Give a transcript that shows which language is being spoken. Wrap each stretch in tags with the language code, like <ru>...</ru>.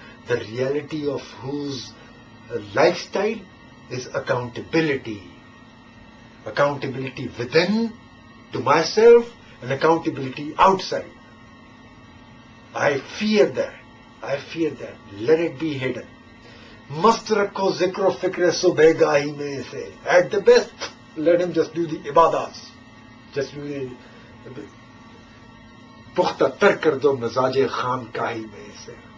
<en>The reality of whose lifestyle is accountability. Accountability within to myself and accountability outside. I fear that. Let it be hidden.</en> <ur>مست رکھو ذکر و فکر صبح گاہی میں سے.</ur> <en>At the best, let him just do the عبادات. Just do the</en> <ur>پختہ تر کر دو مزاج خان کاہی میں سے.</ur>